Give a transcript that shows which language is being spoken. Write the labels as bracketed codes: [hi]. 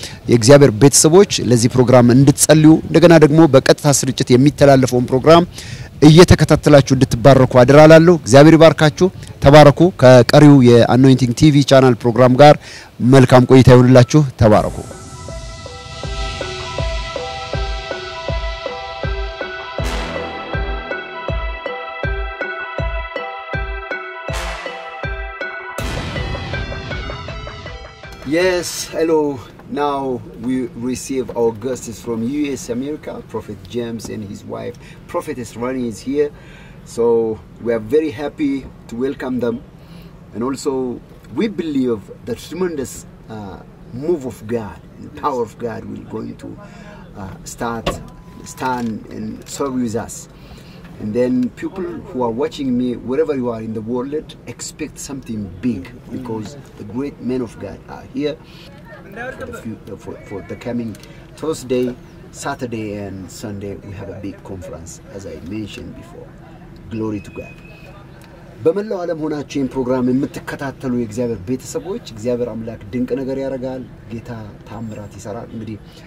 [am] የእግዚአብሔር ቤተሰቦች ለዚህ ፕሮግራም እንድትጸልዩ እንደገና ደግሞ በቀጥታ ስርጭት የሚተላለፈውን ፕሮግራም እየተከታተላችሁ እንድትባረኩ አደራላለሁ እግዚአብሔር ይባርካችሁ ተባረኩ ከቀሪው የአኖይንቲንግ ቲቪ ቻናል ፕሮግራም ጋር መልካም ቆይታ ይሁንላችሁ ተባረኩ [en] Yes, hello. Now we receive our guests from US America, Prophet James and his wife, Prophetess Rani is here. So we are very happy to welcome them. And also we believe the tremendous move of God, and the power of God will going to stand and serve with us. And then people who are watching me, wherever you are in the world, expect something big because the great men of God are here. For the coming Thursday, Saturday and Sunday we have a big conference as I mentioned before. Glory to God. [am] በመላው ዓለም ሆናችሁ ይህን ፕሮግራም የምትከታተሉ የእግዚአብሔር ቤተሰቦች እግዚአብሔር አምላክ ድንቅ ነገር ያደርጋል ጌታ ታምራት ይሰራል እንግዲህ